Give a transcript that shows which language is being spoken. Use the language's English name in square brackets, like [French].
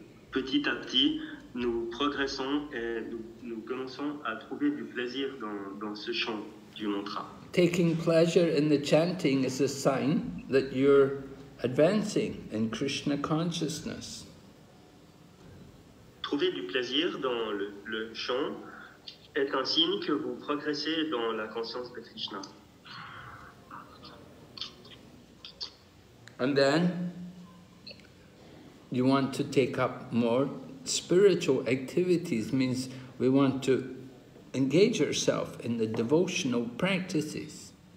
[French] Petit à petit, nous progressons et nous commençons à trouver du plaisir dans ce chant du mantra. [English] Taking pleasure in the chanting is a sign that you're advancing in Krishna consciousness. [French] Trouver du plaisir dans le chant est un signe que vous progressez dans la conscience de Krishna. [English] And then, you want to take up more spiritual activities, means we want to engage ourselves in the devotional practices.